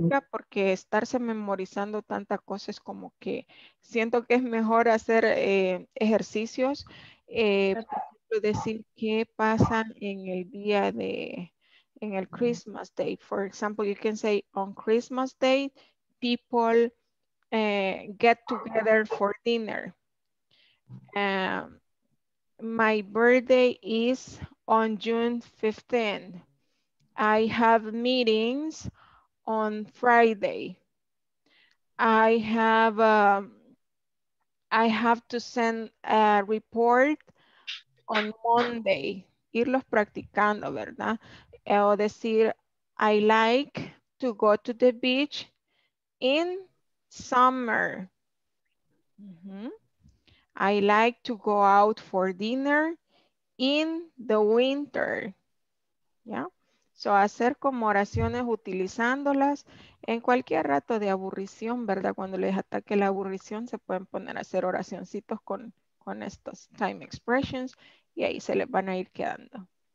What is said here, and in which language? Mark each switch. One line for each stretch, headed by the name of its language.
Spanish: Porque estarse memorizando tanta cosa es como que siento que es mejor hacer ejercicios. Decir qué pasa en el día de, en el Christmas Day.
English: For example, you can say on Christmas Day, people get together for dinner. My birthday is on June 15th. I have meetings on Friday. I have to send a report on Monday.
Spanish: Irlos practicando, ¿verdad? O decir,
English: I like to go to the beach in summer. I like to go out for dinner in the winter. Yeah.
Spanish: So hacer como oraciones utilizándolas en cualquier rato de aburrición, ¿verdad? Cuando les ataque la aburrición, se pueden poner a hacer oracioncitos con estos time expressions y ahí se les van a ir quedando.